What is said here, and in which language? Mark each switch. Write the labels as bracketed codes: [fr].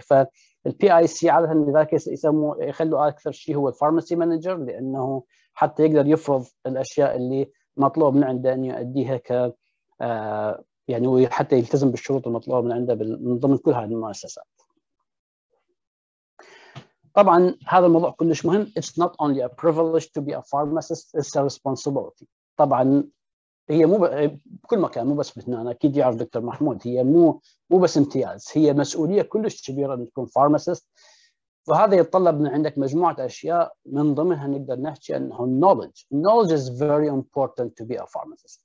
[ar] فالبي اي سي عاده لذلك يسموه يخلوا اكثر شيء هو الفارماسي مانجر، لانه حتى يقدر يفرض الاشياء اللي مطلوب من عنده ان يؤديها ك يعني، وحتى يلتزم بالشروط المطلوبه من عنده من ضمن كل هذه المؤسسات. طبعا هذا الموضوع كلش مهم. [en] It's not only a privilege to be a pharmacist, it's a responsibility. [ar] طبعا هي مو بكل مكان، مو بس بهنا، اكيد يعرف دكتور محمود، هي مو بس امتياز، هي مسؤوليه كلش كبيره ان تكون فارماسيست. وهذا يتطلب من عندك مجموعه اشياء، من ضمنها نقدر نحكي انه [en] knowledge is very important to be a pharmacist.